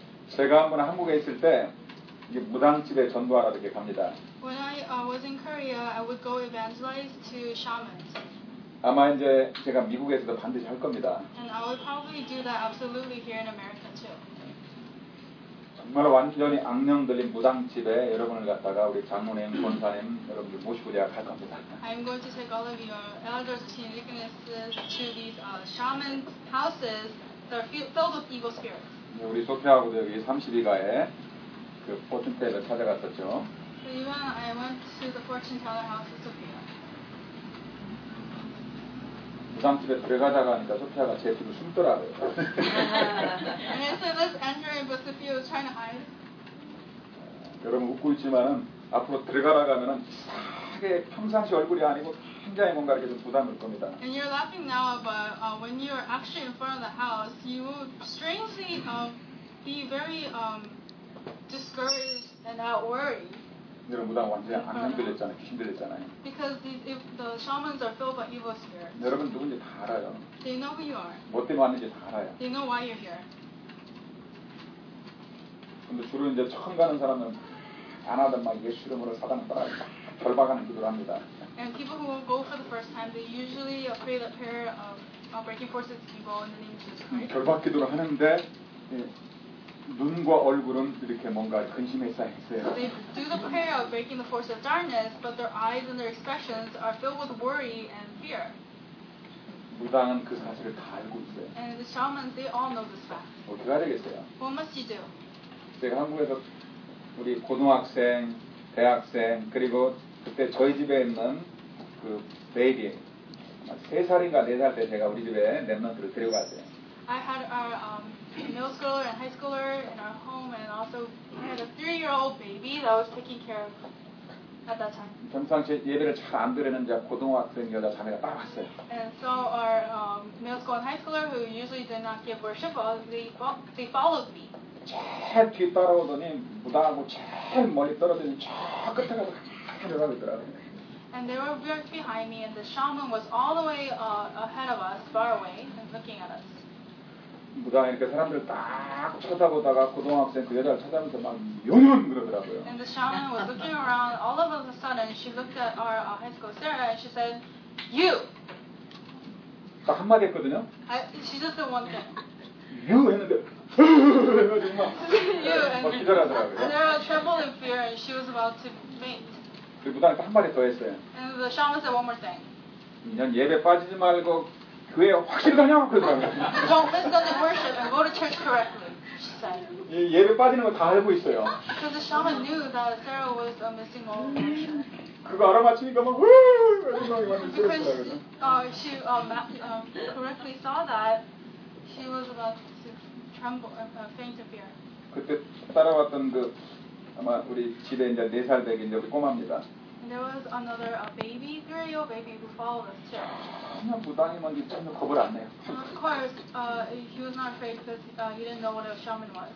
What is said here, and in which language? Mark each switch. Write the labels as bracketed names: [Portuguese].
[Korean] 제가 한번 한국에 있을 때 이게 무당집에 전도하러 이렇게 갑니다. [English] When I was in Korea, I would go evangelize to shamans. [Korean] 아마 이제 제가 미국에서도 반드시 할 겁니다. [English] And I would probably do that absolutely here in America too. [Korean] 정말 완전히 악령 들린 무당집에 여러분을 갖다가 우리 장모님, 권사님 여러분들 모시고 제가 갈 겁니다. [English] I'm going to take all of your elders of Team Lickness to these shaman houses that are filled with evil spirits. [Korean] 우리 소피하고도 여기 32가에 그 포춘테일러 찾아갔었죠. [English] I went to the fortune teller house with Sophia. [Korean] 무당 집에 들어가자고 하니까 소피아가 제 뒤로 숨더라고요. [English] And so let's enter, but Sophia was trying to hide. [Korean] 여러분 웃고 있지만은 앞으로 들어가라 가면은 크게 평상시 얼굴이 아니고 굉장히 뭔가 이렇게 좀 부담일 겁니다. [English] And you're laughing now, but when you're actually in front of the house, you will strangely be very discouraged and not worried. [Korean] 여러분 무당 완전히 안 흔들렸잖아요. 힘들었잖아요. [English] Because if the shamans are filled by evil spirits. [Korean] 여러분 누군지 다 알아요. [English] They know who you are. [Korean] 뭐 때문에 왔는지 다 알아요. [English] They know why you're here. [Korean] 근데 주로 이제 처음 가는 사람은 안 하던 막 예수 이름으로 사단을 따라 절박하는 기도를 합니다. [English] And people who go for the first time, they usually pray the prayer of breaking forces evil in the name of Jesus Christ. [Korean] 절박 기도를 하는데 눈과 얼굴은 이렇게 뭔가 근심에 쌓여 있어요. [English] They do the prayer of breaking the forces of darkness, but their eyes and their expressions are filled with worry and fear. [Korean] 무당은 그 사실을 다 알고 있어요. [English] And the shamans, they all know this fact. [Korean] 어떻게 해야 되겠어요? [English] What must you do? [Korean] 제가 한국에서 우리 고등학생, 대학생, 그리고 그때 저희 집에 있는 그 베이비 3살인가 4살 때 제가 우리 집에 랩런트를 데려갔어요. [English] I had our middle schooler and high schooler in our home and also I had a 3-year-old baby that was taking care of at that time. [Korean] 평상시 예배를 잘 안 드리는 고등학생 여자 자매가 딱 왔어요. [English] And so our middle school and high schooler who usually did not give worship, they followed me. [Korean] 제일 뒤 따라오더니 무당하고 제일 멀리 떨어지는 저 끝에 가서 내려가고 있더라고요. [English] And they were right behind me, and the shaman was all the way ahead of us, far away, and looking at us. [Korean] 무당이 이렇게 사람들 딱 쳐다보다가 고등학생 그 여자를 쳐다보면서 막 요런 그러더라고요. [English] And the shaman was looking around. All of a sudden, she looked at our high school Sarah, and she said, "You." [Korean] 딱 한마디 했거든요. [English] She just said one thing. [Korean] You 했는데. [English] you and Sarah trembled in fear, and she was about to faint. [Korean] 그 무당이 또 한 마디 더 했어요. [English] And the shaman said one more thing. [Korean] 그냥 예배 빠지지 말고 교회 확실히 다녀 그러더라고요. [English] Don't miss Sunday worship and go to church correctly, she said. [Korean] 예배 빠지는 거 다 알고 있어요. [English] Because the shaman knew that Sarah was missing all the worship. [Korean] 그거 알아맞히니까 막 [English] Because correctly saw that she was about to. Tremble, faint of fear. [Korean] 그때 따라왔던 그 아마 우리 집에 이제 네 살 되긴 우리 꼬마입니다. [English] And there was another baby, 3-year-old baby who followed us too. [Korean] 그냥 무당이 뭔지 전혀 겁을 안 내요. [English] Of course, he was not afraid because he didn't know what a shaman was.